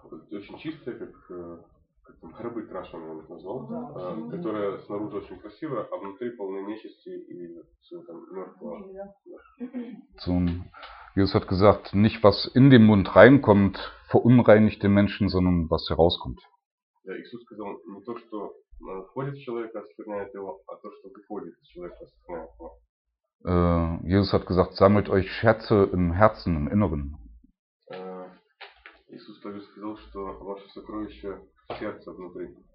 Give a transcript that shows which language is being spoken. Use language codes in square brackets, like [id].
[ru] Очень чистая, как там, рыбы крашеные, я их назвал, да, которая снаружи очень красивая, а внутри полная нечисти и все там мертвого. [de] So, Jesus hat gesagt, nicht was in den Mund reinkommt, verunreinigt den Menschen, sondern was herauskommt. [ru] Ja, Иисус сказал, не то, что входит в человека, оскверняет его, а то, что выходит из человека, оскверняет его. [de] Jesus hat gesagt, sammelt euch Schätze im Herzen, im Inneren. [ru] Иисус также сказал, что ваше сокровище в сердце внутри.